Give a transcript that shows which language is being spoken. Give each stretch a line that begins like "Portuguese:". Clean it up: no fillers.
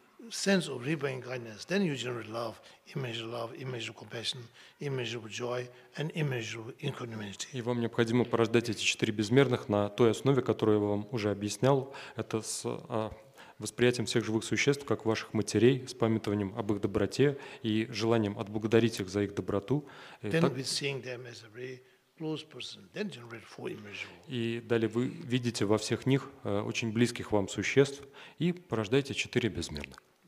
English: Sense of repaying kindness, then you generate love, immeasurable compassion, immeasurable joy, and immeasurable equanimity.
Russian: И вам необходимо порождать эти четыре безмерных на той основе, которую я вам уже объяснял. Это с восприятием всех живых существ как ваших матерей, с памятованием об их доброте и желанием отблагодарить их за их доброту.
English: Then with seeing them as a very close person, then generate four immeasurable.
Russian: И далее вы видите во всех них очень близких вам существ и порождаете четыре безмерных.